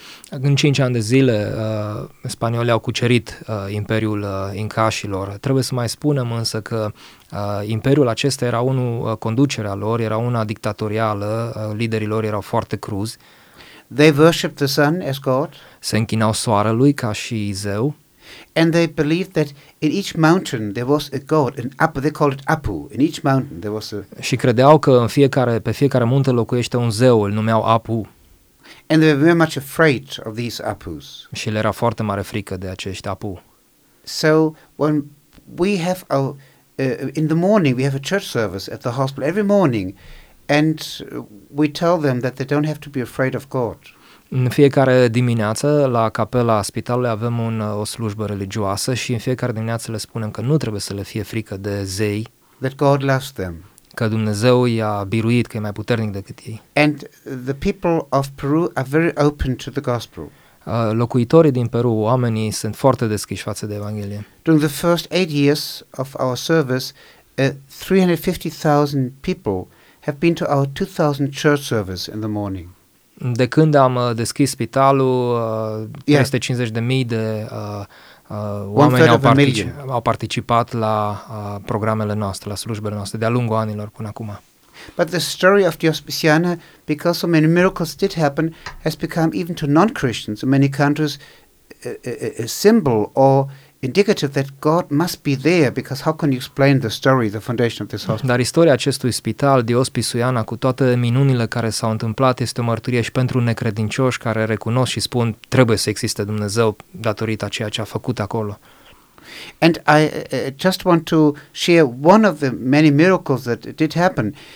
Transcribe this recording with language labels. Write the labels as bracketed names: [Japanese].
[Romanian] În 5 ani de zile, spaniolii au cucerit Imperiul Incașilor. Trebuie să mai spunem însă că Imperiul acesta era unul, conducerea lor, era una dictatorială, liderii lor erau foarte cruzi. [English] They worshipped the sun as God. [Romanian] Se închinau soarelui ca și zeu. [English] And they believed that in each mountain there was a god, an Apu, they called it Apu. In each mountain there was a... [Romanian] Și credeau că pe fiecare munte locuiește un zeu, îl numeau Apu. [English] And they were very much afraid of these Apus. [Romanian] Și le era foarte mare frică de acești Apu. [English] So when we have our in the morning we have a church service at the hospital every morning, and we tell them that they don't have to be afraid of God. [Romanian] În fiecare dimineață la capela spitalului avem o slujbă religioasă și în fiecare dimineață le spunem că nu trebuie să le fie frică de zei. [English] That God loves them. [Romanian] Că Dumnezeu i-a biruit, că e mai puternic decât ei. [English] And the people of Peru are very open to the gospel. [Romanian] Locuitorii din Peru, oamenii sunt foarte deschiși față de Evanghelie. [English] During the first 8 years of our service, 350,000 people have been to our 2,000 church service in the morning. [Romanian] De când am deschis spitalul, 350,000 de oamenii au participat la programele noastre, la slujbele noastre, de-a lungul anilor până acum. [English] But the story of Diospisiana, because so many miracles did happen, has become even to non-Christians in many countries a symbol or indicative that God must be there, because how can you explain the story, the foundation of this hospital? [Romanian] Dar istoria acestui spital, Diospisiana, cu toate minunile care s-au întâmplat, este o mărturie și pentru necredincioși care recunosc și spun trebuie să existe Dumnezeu datorită ceea ce a făcut acolo. [English] And I just want to share one of the many miracles that did happen.